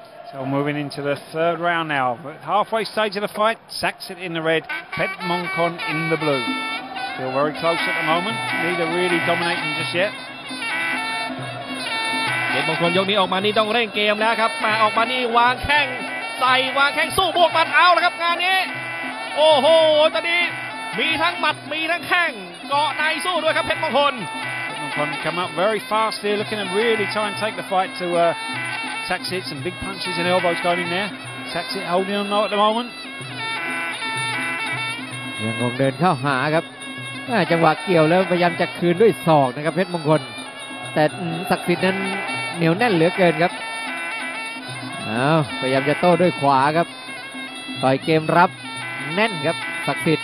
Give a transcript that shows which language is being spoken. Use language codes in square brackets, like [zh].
[en] So moving into the third round now halfway stage of the fight Saxon in the red Petmongkon in the blue still very close at the moment neither really dominating just yet [th] เด็กมงคลยกนี้ออกมานี่ต้องเร่งเกมแล้วครับมาออกมานี่วางแข้งใส่วางแข้งสู้บวกหมัดเอาละครับงานนี้โอ้โหตอนนี้มีทั้งหมัดมีทั้งแข้งเกาะในสู้ด้วยครับเพชรมงคล [en] มงคล come up very fast here looking to really try and take the fight to Saxit some big punches and elbows going in there Saxit holding on though at the moment [th] ยังคงเดินเข้าหาครับจังหวะเกี่ยวแล้วพยายามจะคืนด้วยศอกนะครับเพชรมงคลแต่ศักดิ์สิทธิ์นั้นเหนียวแน่นเหลือเกินครับเอาพยายามจะโต้ด้วยขวาครับต่อยเกมรับแน่นครับศักดิ์สิทธิ